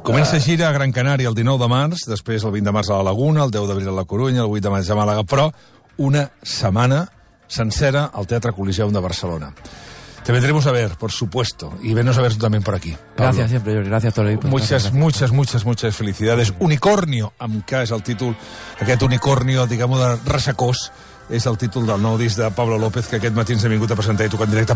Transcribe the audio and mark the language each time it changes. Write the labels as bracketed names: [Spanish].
[Catalan] Comença gira a Gran Canària el 19 de març, després el 20 de març a la Laguna, el 10 d'abril a la Corunya, el 8 de març a Màlaga, però una setmana sencera al Teatre Coliseum de Barcelona. [Spanish] Te vendremos a ver, por supuesto, y venos a ver tú también por aquí, Pablo. Gracias siempre, Jordi, gracias a todo el equipo. Muchas felicidades. [Catalan] Unicornio, aunque es el títol, aquest unicornio, digamos, de Rasacós, és el títol del nou disc de Pablo López, que aquest matí ens ha vingut a presentar i tocar en directe.